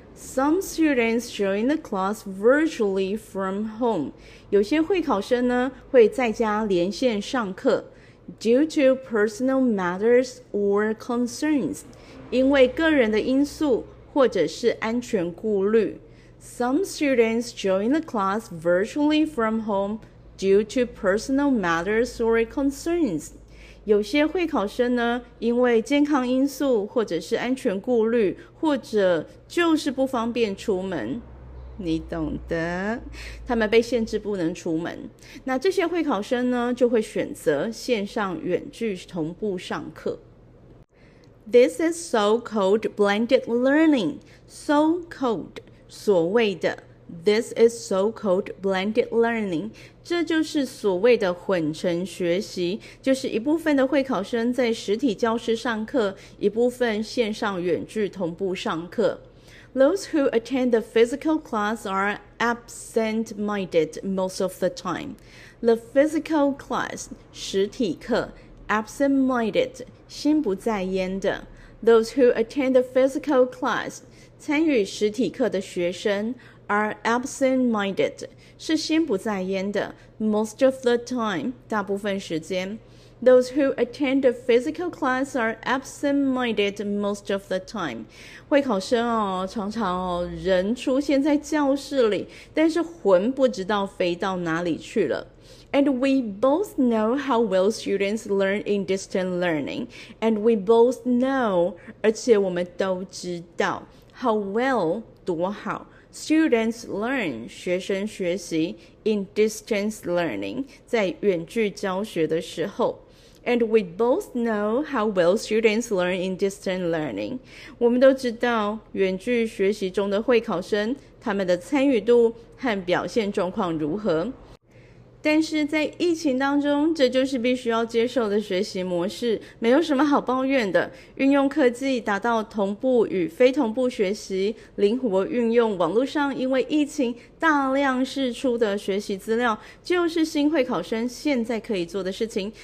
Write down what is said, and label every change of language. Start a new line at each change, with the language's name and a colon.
English: Some students join the class virtually from home.
Chinese: 有些会考生呢，会在家连线上课。
English: Due to personal matters or concerns.
Chinese: 因为个人的因素或者是安全顾虑。
English: Some students join the class virtually from home due to personal matters or concerns.
Chinese: 有些会考生呢，因为健康因素，或者是安全顾虑，或者就是不方便出门。你懂的，他们被限制不能出门。那这些会考生呢，就会选择线上远距同步上课。
English: This is so-called blended learning. So-called,
Chinese: 所谓的。
English: This is so-called blended learning.
Chinese: 这就是所谓的混成学习，就是一部分的会考生在实体教室上课，一部分线上远距同步上课。
English: Those who attend the physical class are absent-minded most of the time. The physical class,
Chinese: 实体课,
English: absent-minded,
Chinese: 心不在焉的。
English: Those who attend the physical class,
Chinese: 参与实体课的学生,
English: are absent-minded,
Chinese: 是心不在焉的,
English: most of the time,
Chinese: 大部分时间。
English: Those who attend the physical class are absent-minded most of the time.
Chinese: 会考生哦，常常哦，人出现在教室里，但是魂不知道飞到哪里去了。
English: And we both know how well students learn in distant learning. And we both know,
Chinese: 而且我们都知道
English: how well,
Chinese: 多好。
English: Students learn,
Chinese: 学生学习
English: in distance learning,
Chinese: 在远距教学的时候。
English: And we both know how well students learn in distant learning.
Chinese: 我们都知道远距学习中的会考生，他们的参与度和表现状况如何。但是在疫情当中，这就是必须要接受的学习模式，没有什么好抱怨的。运用科技达到同步与非同步学习，灵活运用网络上因为疫情大量释出的学习资料，就是新会考生现在可以做的事情。